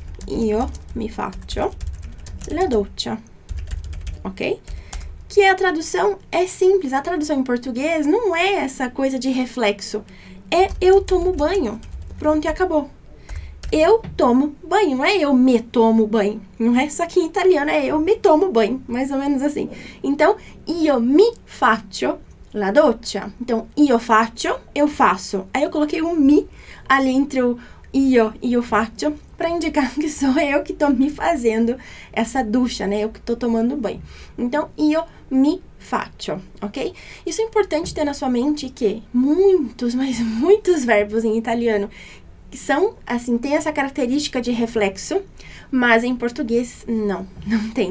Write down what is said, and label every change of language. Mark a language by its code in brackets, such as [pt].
[it] Io mi faccio la doccia. Ok? [pt] Que a tradução é simples. A tradução em português não é essa coisa de reflexo. É eu tomo banho. Pronto e acabou. Eu tomo banho, não é eu me tomo banho, não é? Só que em italiano é eu me tomo banho, mais ou menos assim. [it] Então, io mi faccio la doccia. [pt] Então, [it] io faccio, [pt] eu faço. Aí eu coloquei um mi ali entre o io e o faccio para indicar que sou eu que estou me fazendo essa ducha, né? Eu que estou tomando banho. Então, [it] io mi faccio, [pt] ok? Isso é importante ter na sua mente que muitos, mas muitos verbos em italiano que são, assim, tem essa característica de reflexo, mas em português não tem.